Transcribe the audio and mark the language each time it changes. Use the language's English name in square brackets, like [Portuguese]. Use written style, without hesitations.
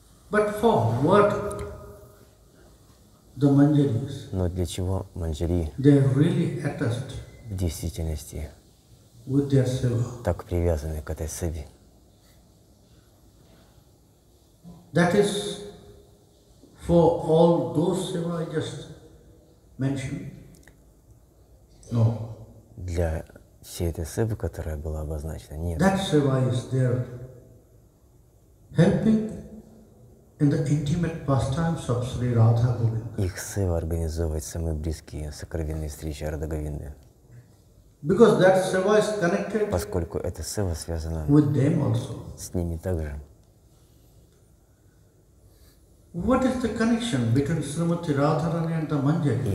[English] But for what the manjaris? [Russian] Но для чего манджари? [English] They really attached. [Russian] В действительности. [English] With their seva. [Russian] Так привязаны к этой севе. [English] That is for all those seva I just mentioned. No. [Russian] Для всей этой севы, которая была обозначена, нет. [English] That seva is there helping in the intimate pastimes of Sri Radha Govinda. [Russian] Их сева организовывает самые близкие сокровенные встречи Радха Говинды. [English] Because that seva is connected. [Russian] Поскольку эта сева связана [English] with them also. [Russian] С ними также. [English] What is the connection between Srimati Radharani and the Manjari?